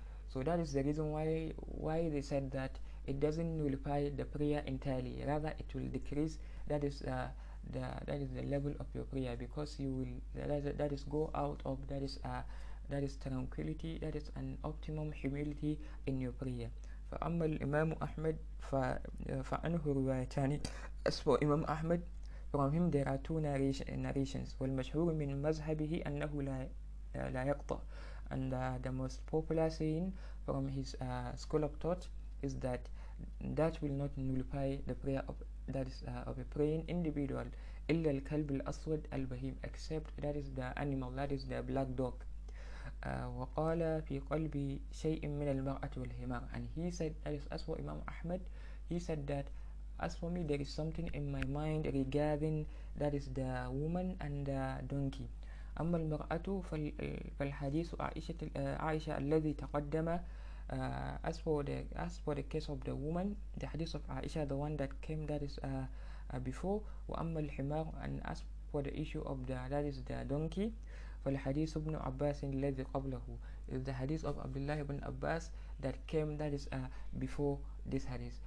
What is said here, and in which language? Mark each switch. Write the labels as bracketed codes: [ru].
[en] So that is the reason why they said that it doesn't nullify the prayer entirely. Rather, it will decrease. That is the level of your prayer, because you will that is go out of that is tranquility, that is an optimum humility in your prayer. [ar] فأما الإمام أحمد فعنه روايتان. [en] As for Imam Ahmed, from him there are two narrations. [ar] والمشهور من مذهبه أنه لا يقطع. [en] And the most popular saying from his school of thought is that will not nullify the prayer of of a praying individual. [ar] إلا الكلب الأسود البهيم, [en] except that is the animal, that is the black dog. [ar] وقال في قلبي شيء من المرأة والهمار. [en] And he said, that is as for Imam Ahmed, he said that as for me, there is something in my mind regarding that is the woman and the donkey. [ar] أما المرأة فالحديث عائشة الذي تقدم. [en] As for the case of the woman, the hadith of Aisha, the one that came, that is before. [ar] وأما الحمار, [en] and as for the issue of the donkey, [ar] فالحديث ابن عباس الذي قبله, [en] is the hadith of Abdullah ibn Abbas that came, that is before this hadith.